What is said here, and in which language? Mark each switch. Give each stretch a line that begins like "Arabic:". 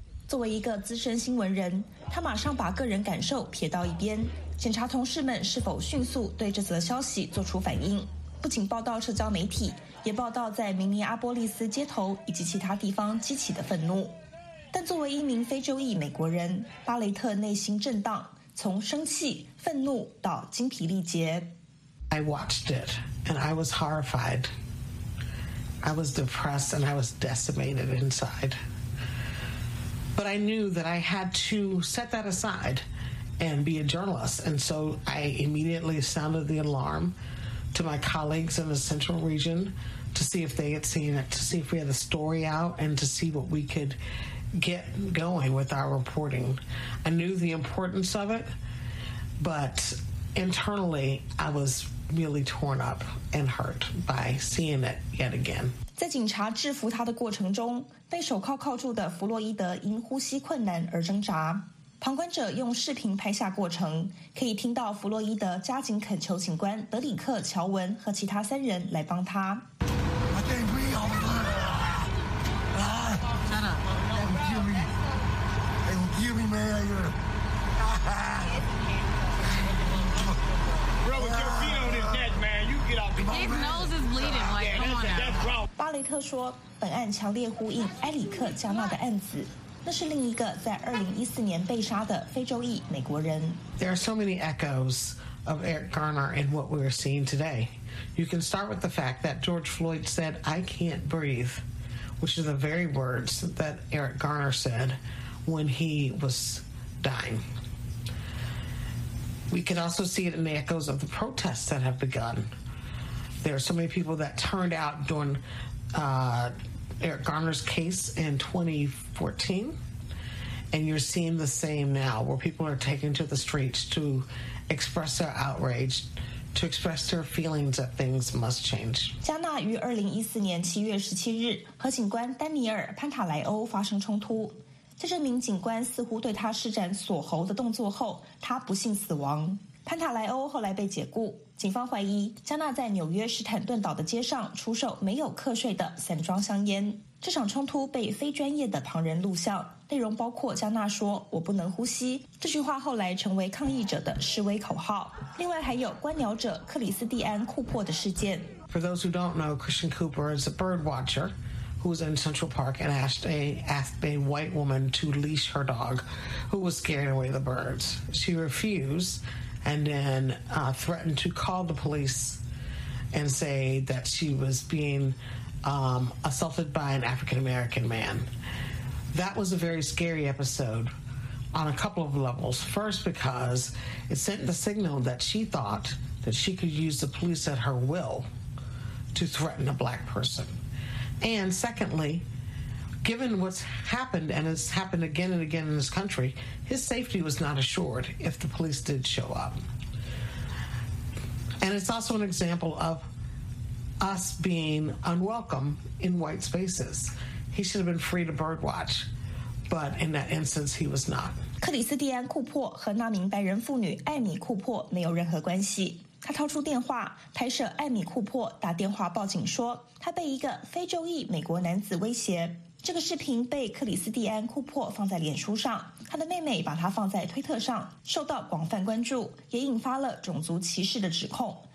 Chinese: 作为一个资深新闻人，他马上把个人感受撇到一边，检查同事们是否迅速对这则消息做出反应，不仅报道社交媒体，也报道在明尼阿波利斯街头以及其他地方激起的愤怒。但作为一名非洲裔美国人，巴雷特内心震荡，从生气、愤怒到精疲力竭。
English: I watched it, and I was horrified. I was depressed, and I was decimated inside. But I knew that I had to set that aside and be a journalist. And so I immediately sounded the alarm to my colleagues in the central region to see if they had seen it, to see if we had a story out, and to see what we could. Get going with our reporting. I knew the importance of it, but internally I was really torn up and hurt by seeing it yet again.
Chinese: 在警察制服他的过程中，被手铐铐住的弗洛伊德因呼吸困难而挣扎。旁观者用视频拍下过程，可以听到弗洛伊德加紧恳求警官德里克·乔文和其他三人来帮他。
English: Give me my ear.
Chinese: 雷特说，本案强烈呼应埃里克加纳的案子，那是另一个在2014年被杀的非洲裔美国人。
English: There are so many echoes of Eric Garner in what we are seeing today. You can start with the fact that George Floyd said, "I can't breathe," which is the very words that Eric Garner said when he was dying. We can also see it in the echoes of the protests that have begun. There are so many people that turned out during Eric Garner's case in 2014, and you're seeing the same now, where people are taking to the streets to express their outrage, to express their feelings that things must change.
Chinese: 加纳于2014年7月17日和警官丹尼尔·潘塔莱欧发生冲突，在这名警官似乎对他施展锁喉的动作后，他不幸死亡。潘塔莱欧后来被解雇，警方怀疑加纳在纽约史坦顿岛的街上出售没有课税的散装香烟。这场冲突被非专业的旁人录像，内容包括加纳说我不能呼吸，这句话后来成为抗议者的示威口号。另外还有观鸟者克里斯蒂安库珀的事件。
English: For those who don't know, Christian Cooper is a bird watcher who was in Central Park and asked a white woman to leash her dog who was scaring away the birds. She refusedand then threatened to call the police and say that she was being assaulted by an African-American man. That was a very scary episode on a couple of levels. First, because it sent the signal that she thought that she could use the police at her will to threaten a black person. And secondly, given what's happened and has happened again and again in this country, his safety was not assured if the police did show up. And it's also an example of us being unwelcome in white spaces. He should have been free to birdwatch, but in that instance, he was not.
Chinese: 克里斯蒂安·库珀和那名白人妇女艾米·库珀没有任何关系。他掏出电话拍摄艾米·库珀打电话报警说他被一个非洲裔美国男子威胁。这个视频被克里斯蒂安·库珀放在脸书上，他的妹妹把他放在推特上，受到广泛关注，也引发了种族歧视的指控。